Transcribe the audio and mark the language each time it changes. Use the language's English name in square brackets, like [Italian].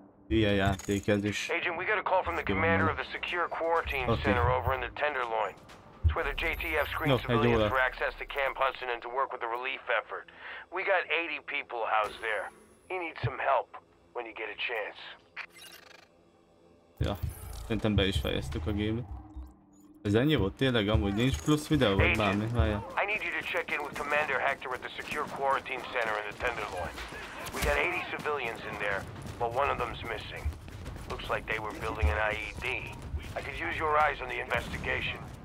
[English] Yeah, yeah, they can just... Agent, we got a call from the commander of the secure quarantine center over in the Tenderloin. It's where the JTF screens civilians for access to Camp Hudson and to work with the relief effort. We got 80 people housed there. You need some help when you get a chance. [Hungarian] Yeah, szerintem be is fejeztük a game-t. Ez ennyi volt tényleg, amúgy nincs plusz videó, vagy bármi, várjál. [English] I need you to check in with Commander Hector at the secure quarantine center in the Tenderloin. We got 80 civilians in there, but one of them's missing. Looks like they were building an IED. I could use your eyes on the investigation.